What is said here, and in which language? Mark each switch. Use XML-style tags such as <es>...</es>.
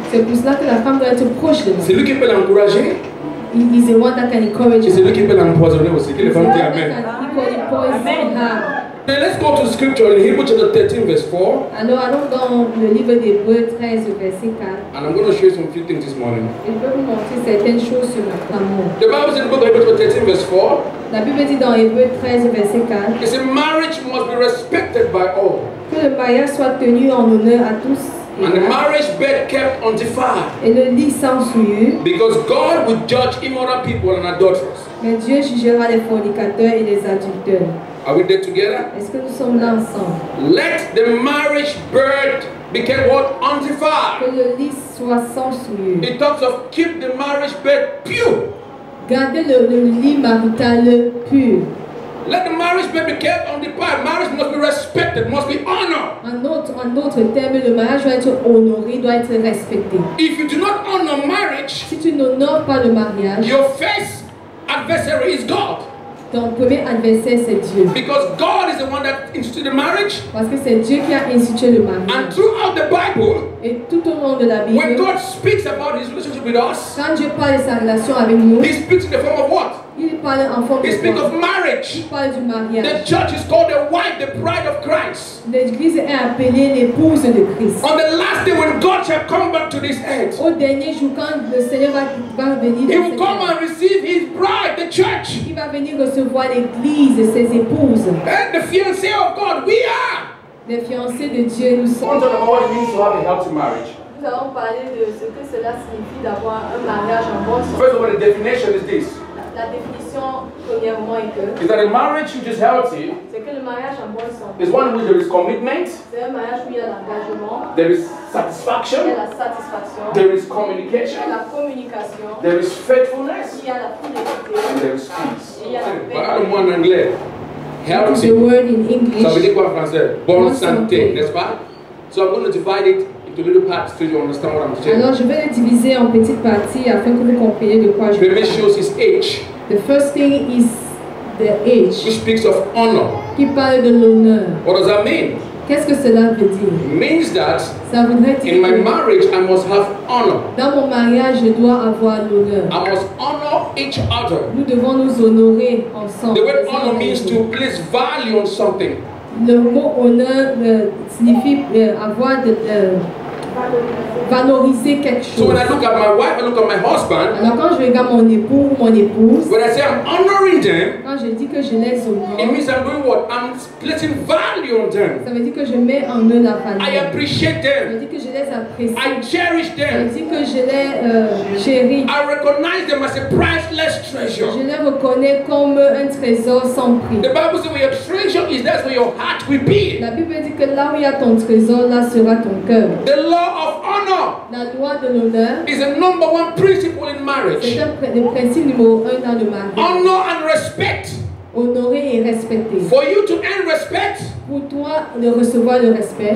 <fr>C'est pour cela que la femme doit être proche de l'homme. C'est lui qui peut l'encourager.</fr> <en>Il is the one that can encourage her.</en> <fr>C'est lui qui peut l'empoisonner aussi. Que les femmes disent amen. Amen.</fr> <en>Then let's go to the scripture in Hebrews chapter 13, verse 4.</en> <fr>Alors allons dans le livre d'Hébreux 13, verset 4.</fr> <en>And I'm going to show you some few things this morning.</en> <fr>Je vais vous montrer certaines choses ce matin.</fr> <en>The Bible says in the book of Hebrews 13, verse 4.</en> <fr>La Bible dit dans Hébreux 13, verset 4.</fr> <en>It says marriage must be respected by all.</en> <fr>Que le mariage soit tenu en honneur à tous.</fr> <en>And the marriage bed kept undefiled.</en> <fr>Et le lit sans souillure.</fr> <en>Because God would judge immoral people and adulterers.</en> <fr>Mais Dieu jugera les fornicateurs et les adultères.</fr> <en>Are we there together?</en> <fr>Est-ce que nous sommes là ensemble?</fr> <en>Let the marriage bed be kept what? Undefiled.</en> <fr>Que le lit soit sans souillure.</fr> <en>It talks of keep the marriage bed pure.</en> <fr>Gardez le lit marital pur.</fr> <en>Let the marriage bed be kept on the path. Marriage must be respected, must be honored.</en> <fr>En d'autres termes, le mariage doit être honoré, doit être respecté.</fr> <en>If you do not honor marriage,</en> <fr>si tu n'honores pas le mariage,</fr> <en>your first adversary is God.</en> <fr>Ton premier adversaire, c'est Dieu.</fr> <en>Because God is the one that instituted the marriage.</en> <fr>Parce que c'est Dieu qui a institué le mariage.</fr> <en>And throughout the Bible,</en> <fr>et tout au long de la Bible,</fr> <en>when God speaks about his relationship with us,</en> <fr>quand Dieu parle de sa relation avec nous,</fr> <en>he speaks in the form of what?</en> <fr>Il parle en forme</fr> <en>de speak of marriage.</en> <fr>Il parle du mariage.</fr> <en>The church is called the wife, the bride of Christ.</en> <fr>L'église est appelée l'épouse de Christ.</fr> <en>On the last day when God shall come back to this earth.</en> <fr>Au dernier jour quand le Seigneur va venir.</fr> <en>He will come and receive his bride, the church.</en> <fr>Il va venir recevoir l'église, ses épouses.</fr> <en>And the fiancée of God, we are.</en> <fr>Les fiancés de Dieu, nous sommes.</fr> <en>Want to know what it means to have a healthy marriage.</en> <fr>Nous allons parler de ce que cela signifie d'avoir un mariage en bon sens.</fr> <en>First of all, the definition is this.</en> <fr>La définition,</fr> <en>is that a marriage which is healthy?</en> <fr>C'est que le mariage en bonne santé.</fr> <en>Is one where there is commitment.</en> <fr>C'est un mariage où il y a l'engagement.</fr> <en>There is satisfaction.</en> <fr>Il y a la satisfaction.</fr> <en>There is communication.</en> <fr>Il y a la communication.</fr> <en>There is faithfulness.</en> <fr>Il y a la fidélité.</fr> <en>And there is peace.</en> <fr>Et il y a la paix.</fr> <en>But I don't want anglais. Healthy. The word in English.</en> <fr>Ça veut dire quoi en français? Bonne santé, n'est-ce pas?</fr> <en>So I'm going to divide it.</en> <fr>Alors je vais le diviser en petites parties afin que vous compreniez de quoi je parle.</fr> <en>Shows his age. The first thing is the age. Which speaks of honor.</en> <fr>Qui parle de l'honneur.</fr> <en>What does that mean?</en> <fr>Qu'est-ce que cela veut dire?</fr> <en>It means that</en> <fr>ça voudrait dire</fr> <en>in my marriage I must have honor.</en> <fr>Dans mon mariage je dois avoir l'honneur.</fr> <en>I must honor each other.</en> <fr>Nous devons nous honorer ensemble.</fr> <en>The word honor means to place value on something.</en> <fr>Le mot honneur signifie avoir de valoriser quelque chose.</fr> <en>So when I look at my wife, I look at my husband.</en> <fr>Alors quand je regarde mon époux ou mon épouse.</fr> <en>When I say I'm honoring them.</en> <fr>Quand je dis que je les honore.</fr> <en>It means I'm doing what? I'm placing value on them.</en> <fr>Ça veut dire que je mets en eux la valeur.</fr> <en>I appreciate them.</en> <fr>Ça veut dire que je les apprécie.</fr> <en>I cherish them.</en> <fr>Ça veut dire que je les chéris.</fr> <en>I recognize them as a priceless treasure.</en> <fr>Je les reconnais comme un trésor sans prix.</fr> <en>The Bible says where your treasure is, that's where your heart will be.</en> <fr>La Bible dit que là où il y a ton trésor, là sera ton cœur.</fr> <en>The law of honor.</en> <fr>La loi de l'honneur</fr> <en>is a number one principle in marriage.</en> <fr>C'est le principe numéro un dans le mariage.</fr> <en>Honor and respect.</en> <fr>Honorer et respecter.</fr> <en>For you to earn respect,</en> <fr>pour toi de recevoir le respect,</fr>